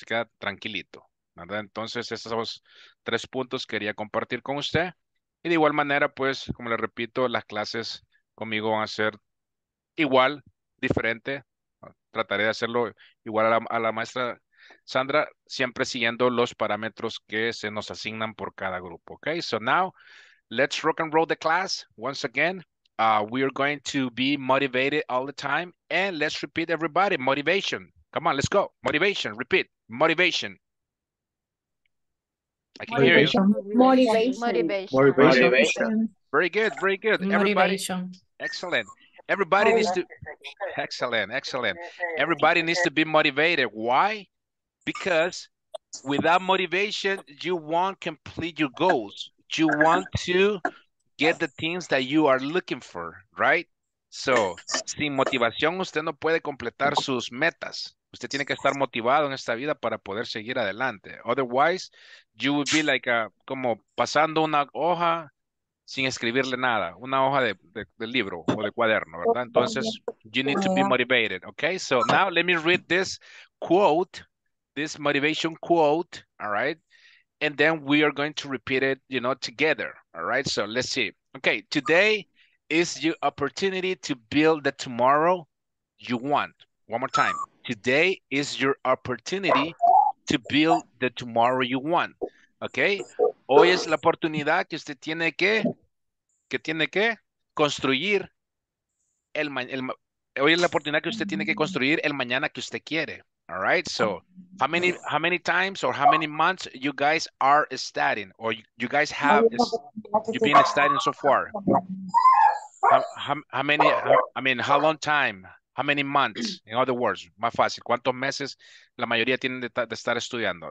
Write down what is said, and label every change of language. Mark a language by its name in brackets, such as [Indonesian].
[Spanish] Se queda tranquilito, ¿verdad? Entonces, esos tres puntos quería compartir con usted. Y de igual manera, pues, como le repito, las clases conmigo van a ser igual, diferente. Trataré de hacerlo igual a la maestra Sandra, siempre siguiendo los parámetros que se nos asignan por cada grupo, ¿ok? [English] So now, let's rock and roll the class once again. We are going to be motivated all the time. And let's repeat, everybody. Motivation. Come on, let's go. Motivation. Repeat. Motivation. I can motivation. Hear you. Motivation. Motivation. Motivation. Motivation. Very good. Very good. Motivation. Everybody. Excellent. Everybody needs to. Excellent. Excellent. Everybody needs to be motivated. Why? Because without motivation, you won't complete your goals. You want to get the things that you are looking for, right? [Spanish] So, sin motivación, usted no puede completar sus metas. Usted tiene que estar motivado en esta vida para poder seguir adelante. [English] Otherwise, you would be like [Spanish] como pasando una hoja sin escribirle nada, una hoja de libro o de cuaderno, ¿verdad? Entonces, [English] you need to be motivated, okay? So now let me read this quote, this motivation quote, all right? And then we are going to repeat it, you know, together, all right? So let's see. Okay, today is your opportunity to build the tomorrow you want. One more time. Today is your opportunity to build the tomorrow you want, okay? [Spanish] Hoy es la oportunidad que usted tiene que construir hoy es la oportunidad que usted tiene que construir el mañana que usted quiere. [English] All right? So, how many times or how many months you guys are studying or you guys have you've been studying so far? How long time? How many months? In other words, [Spanish] más fácil, ¿cuántos meses la mayoría tienen de estar estudiando?